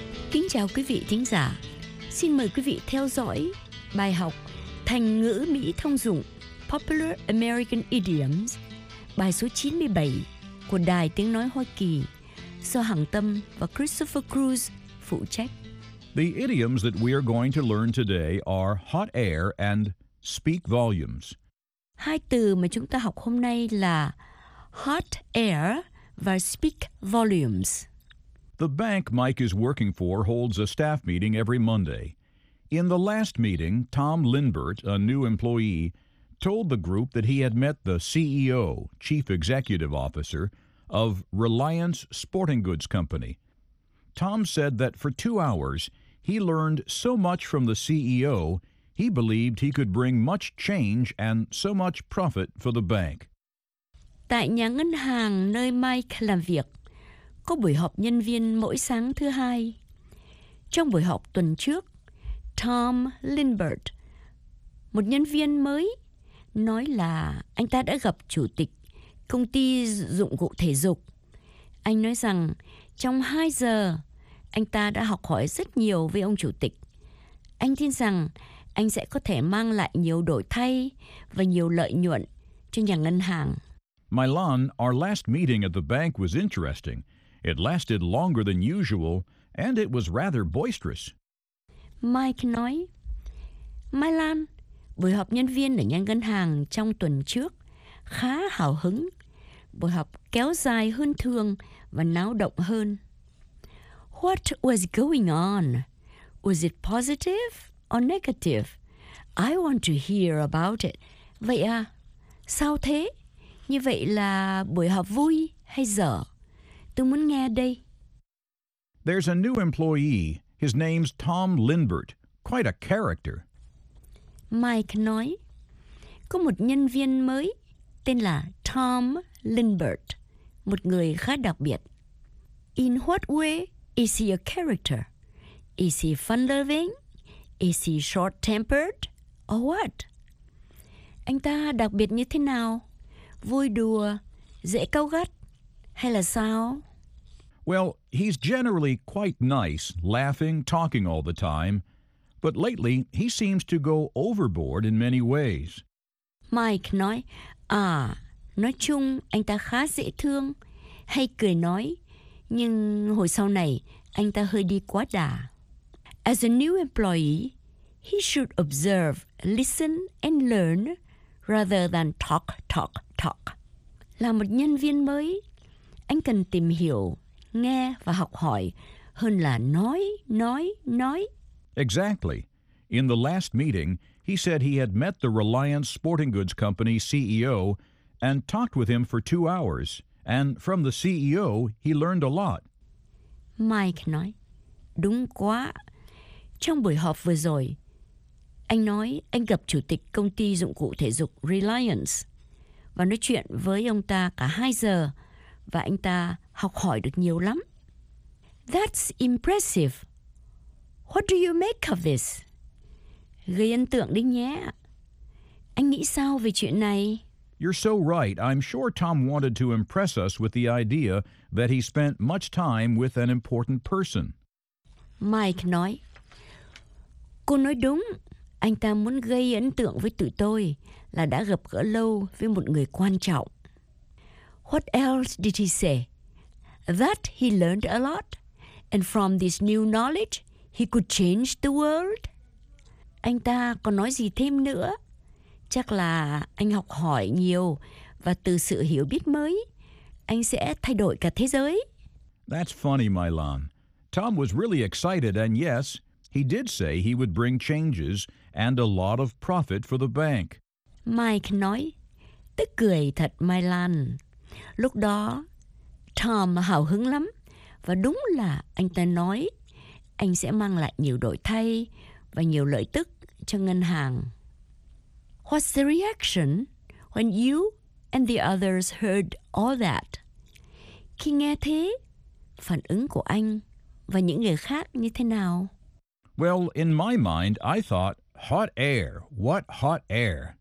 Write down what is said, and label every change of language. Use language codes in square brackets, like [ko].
[vi] Kính chào quý vị thính giả. Xin mời quý vị theo dõi bài học Thành ngữ Mỹ thông dụng Popular American Idioms, bài số 97 của Đài Tiếng Nói Hoa Kỳ, do Hằng Tâm và Christopher Cruz phụ trách. [en] The idioms that we are going to learn today are hot air and speak volumes. [vi] Hai từ mà chúng ta học hôm nay là hot air và speak volumes. [en] The bank Mike is working for holds a staff meeting every Monday. In the last meeting, Tom Linbert, a new employee, told the group that he had met the CEO, Chief Executive Officer, of Reliance Sporting Goods Company. Tom said that for 2 hours, he learned so much from the CEO, he believed he could bring much change and so much profit for the bank. [vi] Tại nhà ngân hàng nơi Mike làm việc, có buổi họp nhân viên mỗi sáng thứ hai. Trong buổi họp tuần trước, Tom Linbert, một nhân viên mới, nói là anh ta đã gặp chủ tịch công ty dụng cụ thể dục. Anh nói rằng trong 2 giờ, anh ta đã học hỏi rất nhiều với ông chủ tịch. Anh tin rằng anh sẽ có thể mang lại nhiều đổi thay và nhiều lợi nhuận cho nhà ngân hàng. [en] Milan, our last meeting at the bank was interesting. It lasted longer than usual, and it was rather boisterous. [vi] Mike nói, Milan, buổi họp nhân viên ở nhà ngân hàng trong tuần trước khá hào hứng. Buổi họp kéo dài hơn thường và náo động hơn. [en] What was going on? Was it positive or negative? I want to hear about it. [vi] Vậy à, sao thế? Như vậy là buổi họp vui hay dở? Tôi muốn nghe đây. [en] There's a new employee. His name's Tom Lindbert. Quite a character. [vi] Mike nói, có một nhân viên mới tên là Tom Lindbert, một người khá đặc biệt. [en] In what way is he a character? Is he fun-loving? Is he short-tempered? Or what? [vi] Anh ta đặc biệt như thế nào? Vui đùa, dễ cáu gắt, hay là sao? [en] Well, he's generally quite nice, laughing, talking all the time. But lately, he seems to go overboard in many ways. [vi] Mike nói, à, nói chung anh ta khá dễ thương, hay cười nói, nhưng hồi sau này anh ta hơi đi quá đà. [en] As a new employee, he should observe, listen and learn rather than talk, talk, talk. [vi] Là một nhân viên mới, anh cần tìm hiểu, nghe và học hỏi hơn là nói, nói, nói. [en] Exactly. In the last meeting, he said he had met the Reliance Sporting Goods Company CEO and talked with him for 2 hours. And from the CEO, he learned a lot. [vi] Mike nói, đúng quá. Trong buổi họp vừa rồi, anh nói anh gặp chủ tịch công ty dụng cụ thể dục Reliance và nói chuyện với ông ta cả 2 giờ và anh ta học hỏi được nhiều lắm. [en] That's impressive. What do you make of this? [vi] Gây ấn tượng đấy nhé. Anh nghĩ sao về chuyện này? [en] You're so right. I'm sure Tom wanted to impress us with the idea that he spent much time with an important person. [vi] Mike nói, cô nói đúng. Anh ta muốn gây ấn tượng với tụi tôi là đã gặp gỡ lâu với một người quan trọng. [en] What else did he say? That he learned a lot. And from this new knowledge, he could change the world. [vi] Anh ta còn nói gì thêm nữa? Chắc là anh học hỏi nhiều và từ sự hiểu biết mới, anh sẽ thay đổi cả thế giới. [en] That's funny, Milan. Tom was really excited and yes, he did say he would bring changes and a lot of profit for the bank. [vi] Mike nói, tức cười thật Milan. Lúc đó, Tom hào hứng lắm và đúng là anh ta nói anh sẽ mang lại nhiều đổi thay và nhiều lợi tức cho ngân hàng. [en] What's the reaction when you and the others heard all that? [vi] Khi nghe thế, phản ứng của anh và những người khác như thế nào? [en] Well, in my mind, I thought, hot air, what hot air?